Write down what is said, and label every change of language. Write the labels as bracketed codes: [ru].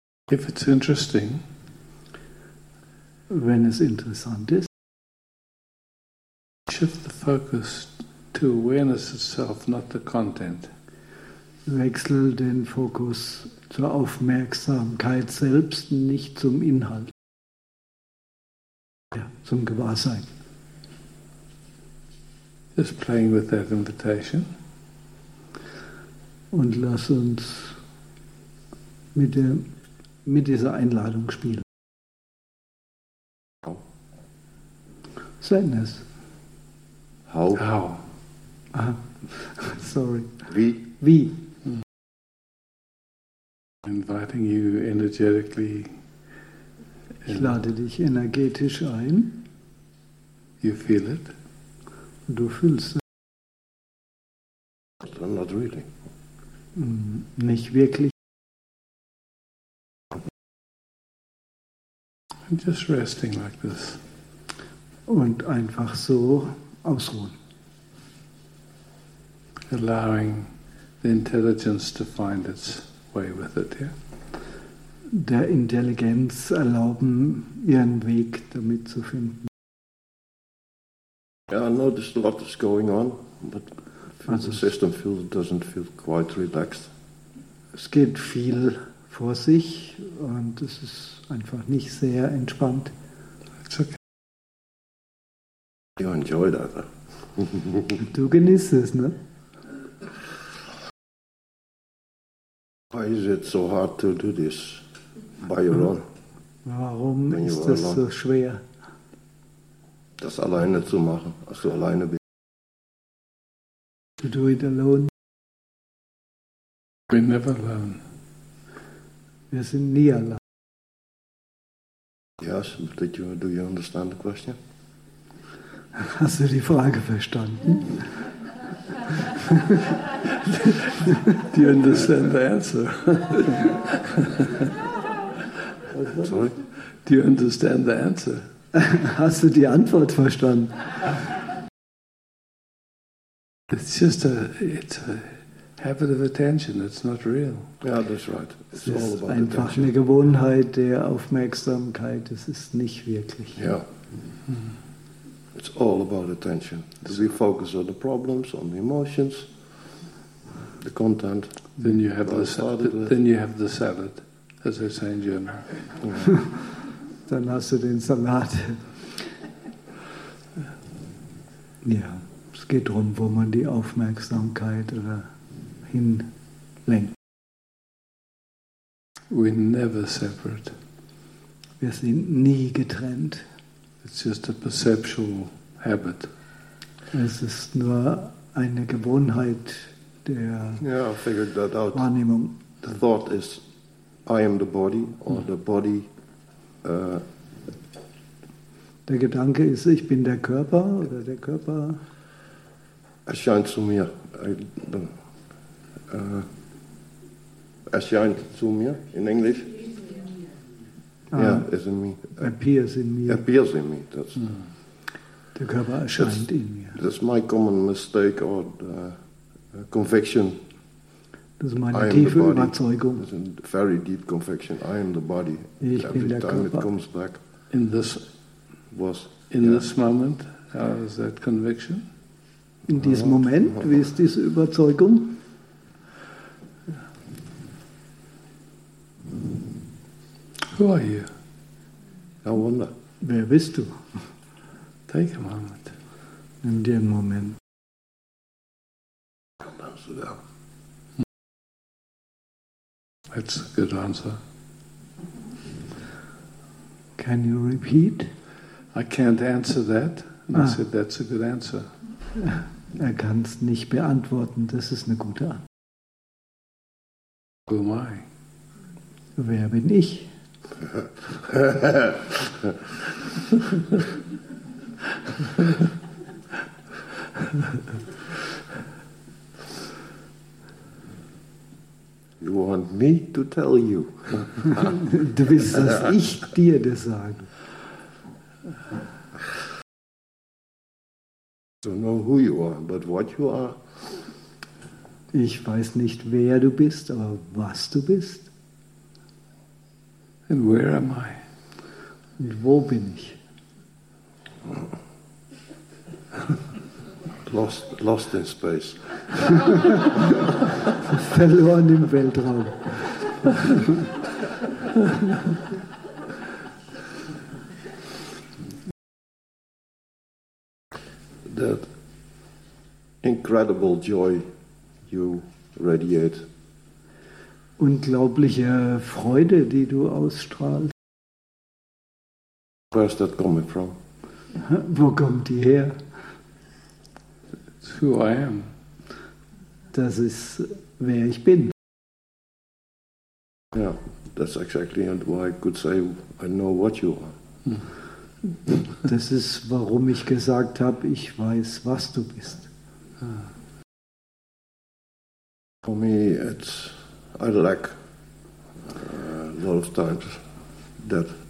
[en] If it's interesting. [de] Wenn es interessant ist. [en] Shift the focus to awareness itself, not the content. [de] Wechsel den Fokus zur Aufmerksamkeit selbst, nicht zum Inhalt. Ja, zum Gewahrsein. [en] Just playing with that invitation. [de] Und lass uns mit dieser Einladung spielen. [en] Sadness. How? Sorry. [de] Wie? [en] Inviting you energetically. [de] Ich lade dich energetisch ein. [en] You feel it? [de] Du fühlst es. [en] But not really. [de] Nicht wirklich. [en] I'm just resting like this. [de] Und einfach so ausruhen. [en] Allowing the intelligence to find its way with it, yeah? [de] Der Intelligenz erlauben, ihren Weg damit zu finden. [en] Yeah, I know there's a lot that's going on, but the system feels, doesn't feel quite relaxed. [de] Es geht viel vor sich und es ist einfach nicht sehr entspannt. [en] It's okay. You enjoy that. [de] Du genießt es, ne? [en] Why is it so hard to do this by your own? [de] Warum ist das so schwer? Das alleine zu machen, als du alleine bist. [en] To do it alone. We never learn. [de] Wir sind nie allein. [en] Yes, but do you understand the question? [de] Hast du die Frage verstanden? [en] Do you understand the answer? Sorry? Do you understand the answer? [de] Hast du die Antwort verstanden? [en] It's just a habit of attention, it's not real. Yeah, that's right. It's all about einfach attention. [de] Eine Gewohnheit der Aufmerksamkeit, es ist nicht wirklich. [en] Yeah. It's all about attention. Do we focus on the problems, on the emotions? the content. Then you have the salad, as they say in German. Yeah. [de] Dann hast du den Salat. Ja, es geht darum, wo man die Aufmerksamkeit oder hinlenkt. [en] We're never separate. [de] Wir sind nie getrennt. [en] It's just a perceptual habit. [de] Es ist nur eine Gewohnheit der [en] I figured that out. [de] Wahrnehmung. [en] The thought is, I am the body, or the body... [de] Der Gedanke ist, ich bin der Körper, oder der Körper... Erscheint zu mir. Erscheint zu mir, in Englisch. [en] Is in me. Appears in me. Appears in me, that's... Mm. [de] Der Körper erscheint in mir. [en] That's my common mistake or the conviction. [de] Das ist meine tiefe Überzeugung. [en] It's a very deep conviction. I am the body. [de] Ich bin der Körper. [en] Every time it comes back. In this... [de] Was... [en] In this moment, how is that conviction? [de] In diesem Moment, wie ist diese Überzeugung? [en] Who are you? I wonder. [de] Wer bist du? [en] Take a moment. [de] Nimm dir einen Moment. [en] That's a good answer. Can you repeat? I can't answer that. And I said, that's a good answer. [de] Er kann es nicht beantworten. Das ist eine gute Antwort. [en] Who am I? [de] Wer bin ich? [en] You want me to tell you? [de] Du willst, dass ich dir das sage. [en] I don't know who you are, but what you are. [de] Ich weiß nicht, wer du bist, aber was du bist. [en] And where am I? [de] Und wo bin ich? [en] Lost in space. [de] Verloren im Weltraum. [en] That incredible joy you radiate. [de] Unglaubliche Freude, die du ausstrahlst. [en] Where's that coming from? [de] Wo kommt die her? [en] It's who I am. [de] Das ist, wer ich bin. [en] Yeah, that's exactly why I could say I know what you are. [de] Das ist, warum ich gesagt habe, ich weiß, was du bist. [en] For me, it's I lack a lot of times that